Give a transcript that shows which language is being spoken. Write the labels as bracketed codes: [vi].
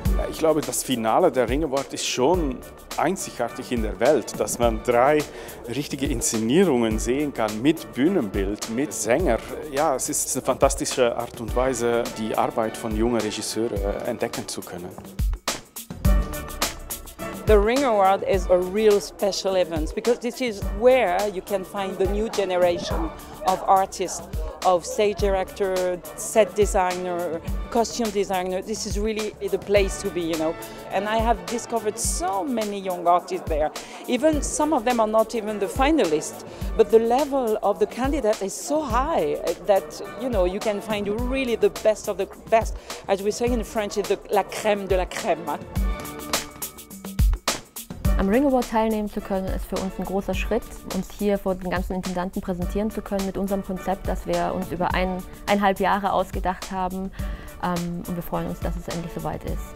[de] Ich glaube, das Finale der Ring Award ist schon einzigartig in der Welt, dass man drei richtige Inszenierungen sehen kann mit Bühnenbild, mit Sänger. Ja, es ist eine fantastische Art und Weise, die Arbeit von jungen Regisseuren entdecken zu können. [en] The Ring Award is a real special event because this is where you can find the new generation of artists, of stage director, set designer, costume designer. This is really the place to be, you know. And I have discovered so many young artists there. Even some of them are not even the finalists, but the level of the candidate is so high that, you know, you can find really the best of the best. As we say in French, it's [fr] la crème de la crème. [de] Am Ring Award teilnehmen zu können, ist für uns ein großer Schritt, uns hier vor den ganzen Intendanten präsentieren zu können mit unserem Konzept, das wir uns über eineinhalb Jahre ausgedacht haben. Und wir freuen uns, dass es endlich soweit ist.